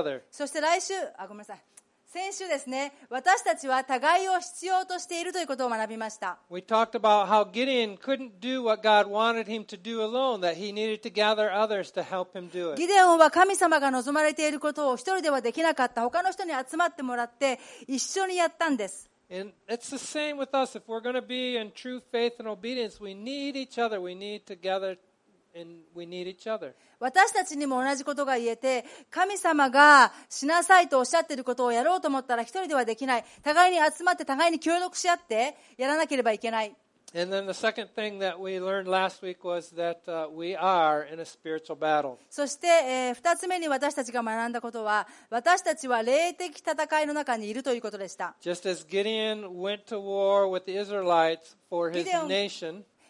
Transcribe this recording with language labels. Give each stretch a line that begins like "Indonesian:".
Japanese: そして来週、あ、ごめんなさい、先週ですね、私たちは互いを必要としているということを学びました。
English: We talked about how Gideon couldn't do what God wanted him to do alone, that he needed to gather others to help him do it.
Japanese: ギデオンは神様が望まれていることを一人ではできなかった。他の人に集まってもらって一緒にやったんです。
English: And it's the same with us. If we're going to be in true faith and obedience, we need each other. We need to gather and we need each other.
Japanese: 私たちにも同じことが言えて、神様がしなさいとおっしゃっていることをやろうと思ったら一人ではできない。互いに集まって互いに協力し合ってやらなければいけない。
English: And then the second thing that we learned last week was that we are in a spiritual battle.
Japanese: そして二つ目に私たちが学んだことは、私たちは霊的戦いの中にいるということでした。
English: Just as Gideon went to war with the Israelites for his nation.